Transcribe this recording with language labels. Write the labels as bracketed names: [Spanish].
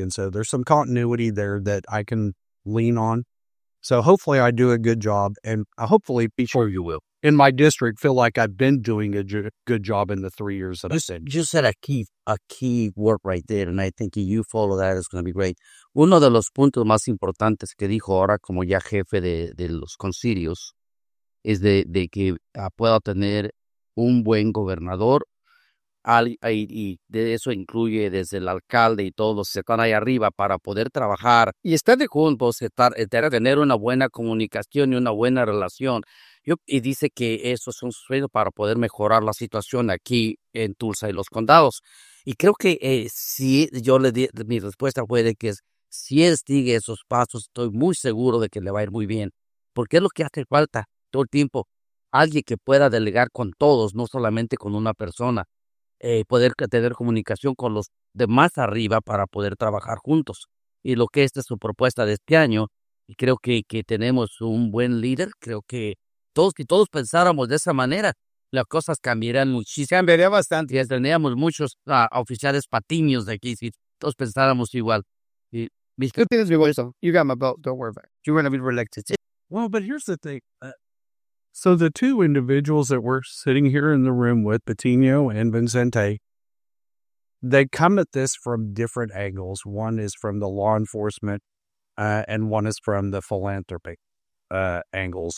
[English] And so there's some continuity there that I can lean on. So hopefully I do a good job, and hopefully people, sure you will, in my district feel like I've been doing a good job in the 3 years that you I've been. You said a key word right there, and I think you follow that. It's going to be great. [Spanish] Uno de los puntos más importantes que dijo ahora como ya jefe de los concilios es de que pueda tener un buen gobernador, y de eso incluye desde el alcalde y todos los que están ahí arriba para poder trabajar y estar juntos, tener una buena comunicación y una buena relación. Y dice que eso es un sueño para poder mejorar la situación aquí en Tulsa y los condados. Y creo que si yo le di, mi respuesta fue de que si él sigue esos pasos, estoy muy seguro de que le va a ir muy bien. Porque es lo que hace falta todo el tiempo. Alguien que pueda delegar con todos, no solamente con una persona. Poder tener comunicación con los demás arriba para poder trabajar juntos. Y lo que esta es su propuesta de este año, y creo que tenemos un buen líder, creo que todos, si todos pensáramos de esa manera, las cosas cambiarían muchísimo. Cambiaría bastante. Y tendríamos muchos oficiales patiños de aquí, si todos pensáramos igual. [English] Good thing is, you got my belt, don't worry about it. You're going to be reelected. Well, but here's the thing. So the two individuals that we're sitting here in the room with, Patino and Vincente, they come at this from different angles. One is from the law enforcement, and one is from the philanthropy angles.